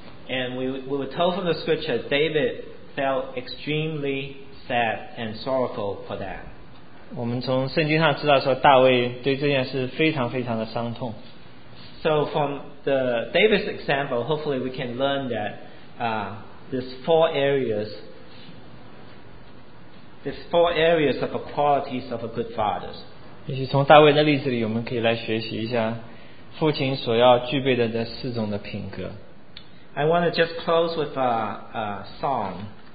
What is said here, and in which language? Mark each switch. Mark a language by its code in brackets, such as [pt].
[en] And we were told from the scripture David felt extremely sad and sorrowful for that. [zh] 我们从圣经上知道说大卫对这件事非常非常的伤痛。 [en] So from the David's example, hopefully we can learn that these four areas of the qualities of a good father. [zh] 也许从大卫的例子里我们可以来学习一下父亲所要具备的这四种的品格。 [en] I want to just close with a song.